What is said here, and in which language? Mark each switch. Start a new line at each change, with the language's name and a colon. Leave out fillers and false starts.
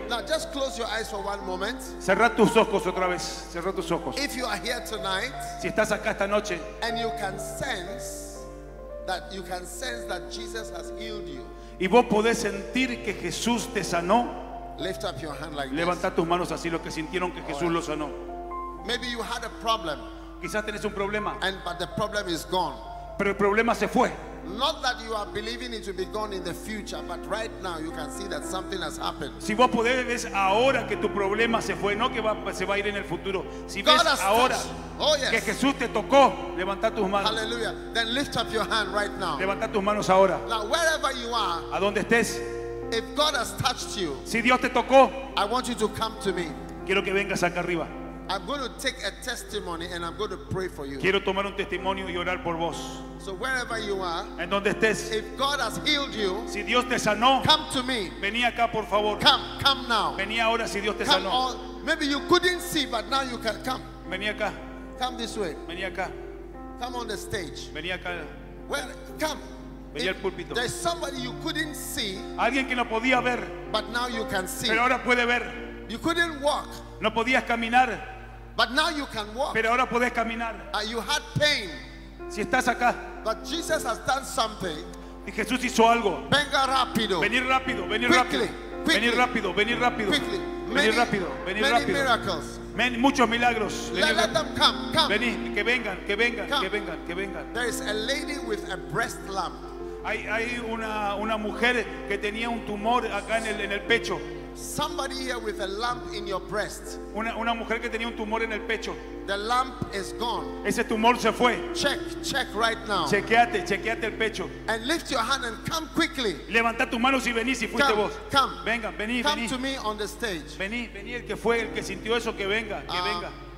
English: Now just close your eyes for one moment.
Spanish: Cerrá tus ojos otra vez. Cerrá tus ojos.
English: If you are here tonight.
Spanish: Si estás acá esta noche.
English: And you can sense that Jesus has healed you.
Spanish: Y vos podés sentir que Jesús te sanó.
English: Lift up your hand like this.
Spanish: Levanta tus manos así los que sintieron que Jesús lo sanó.
English: Maybe you had a problem.
Spanish: Quizás tenés un problema.
English: But the problem is gone.
Spanish: Pero el problema se fue.
English: Not that you are believing it will be gone in the future, but right now you can see that something has happened.
Spanish: Si vos podés ver ahora que tu problema se fue, no que se va a ir en el futuro. Si
English: God
Spanish: ves ahora
English: yes.
Spanish: Que Jesús te tocó, levanta tus manos.
English: Hallelujah. Then lift up your hand right now.
Spanish: Levanta tus manos ahora.
English: Now wherever you are.
Spanish: A donde estés.
English: If God has touched you.
Spanish: Si Dios te tocó.
English: I want you to come to me.
Spanish: Quiero que vengas acá arriba.
English: I'm going to take a testimony and I'm going to pray for you.
Spanish: Quiero tomar un testimonio y orar por vos.
English: So wherever you are,
Spanish: en donde estés,
English: if God has healed you,
Spanish: si Dios te sanó,
English: come to me.
Spanish: Vení acá, por favor.
English: Come now.
Spanish: Vení ahora si Dios te sanó.
English: Maybe you couldn't see, but now you can come.
Spanish: Vení acá.
English: Come this way.
Spanish: Vení acá.
English: Come on the stage.
Spanish: Vení acá.
English: Well, come.
Spanish: Vení al púlpito.
English: There's somebody you couldn't see.
Spanish: Alguien que no podía ver.
English: But now you can see.
Spanish: Pero ahora puede ver.
English: You couldn't walk.
Spanish: No podías caminar.
English: But now you can walk.
Spanish: Pero ahora puedes caminar.
English: You had pain.
Spanish: Si estás acá.
English: But Jesus has done something.
Spanish: Y Jesús hizo algo. Venga rápido. Venir rápido, venir
English: quickly,
Spanish: rápido.
English: Quickly,
Spanish: venir rápido, venir rápido.
English: Quickly.
Spanish: Vení rápido, vení rápido.
English: Miracles. Many,
Spanish: muchos milagros.
English: Let them come, come.
Spanish: Vení, que vengan, que vengan,
English: come.
Spanish: Que vengan, que vengan.
English: There is a lady with a breast lump.
Spanish: Hay una mujer que tenía un tumor acá en el pecho.
English: Somebody here with a lump in your breast.
Spanish: Una mujer que tenía un tumor en el pecho.
English: The lump is gone.
Spanish: Ese tumor se fue.
English: Check right now.
Spanish: Chequeate el pecho.
English: And lift your hand and come quickly.
Spanish: Levanta tu mano si vení, si fuiste
English: come,
Spanish: vos.
English: Come.
Spanish: Venga, vení,
English: come
Spanish: vení.
English: To me on the stage.
Spanish: Vení, vení, el que fue, el que sintió eso, que venga, que venga.